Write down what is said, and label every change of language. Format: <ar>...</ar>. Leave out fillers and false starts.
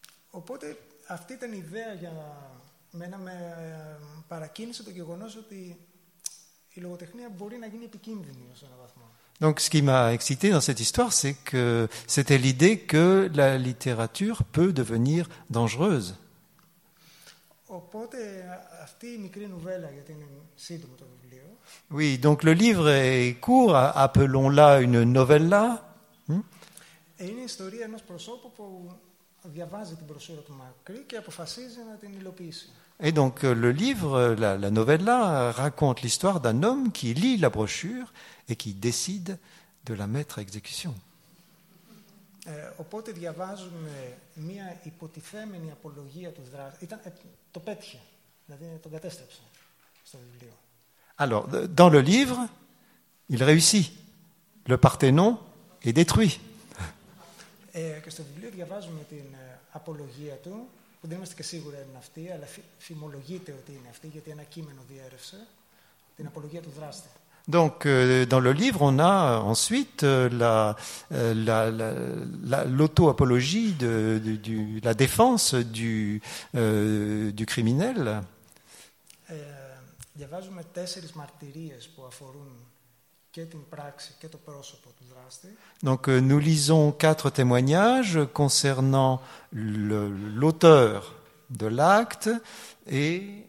<el>Οπότε αυτή ήταν η ιδέα για μένα, με παρακίνησε το γεγονός ότι η λογοτεχνία μπορεί να γίνει επικίνδυνη σε έναν βαθμό.</el> <fr>Donc, ce qui m'a excité dans cette histoire, c'est que c'était l'idée que la littérature peut devenir dangereuse.</fr> <el>Οπότε αυτή η μικρή νουβέλα, γιατί είναι σύντομο το βιβλίο.</el> <fr>Oui, donc le livre est court, appelons-la une novella.</fr> <el>Είναι η ιστορία ενός προσώπου που διαβάζει την προσέρα του Μακρύ και αποφασίζει να την υλοποιήσει.</el> <fr>Et donc le livre, la novella, raconte l'histoire d'un homme qui lit la brochure et qui décide de la mettre à exécution.</fr> <el>Οπότε διαβάζουμε μια υποτιθέμενη απολογία του δράστη. Το πέτυχε, δηλαδή τον κατέστρεψε στο βιβλίο.</el> <fr>Alors, dans le livre, il réussit. Le Parthénon est détruit.</fr> <el>Και στο βιβλίο διαβάζουμε την απολογία του. Που δεν είμαστε και σίγουροι αν είναι αυτή, αλλά φημολογείται ότι είναι αυτή, γιατί ένα κείμενο διέρευσε την απολογία του δράστη.</el> <fr>Donc, dans le livre, on a ensuite l'auto-apologie de la défense du criminel.</fr> <el>Διαβάζουμε τέσσερις μαρτυρίες που αφορούν και την πράξη και το πρόσωπο του δράστη.</el> <fr>Donc nous lisons quatre témoignages concernant l'auteur de l'acte et</fr>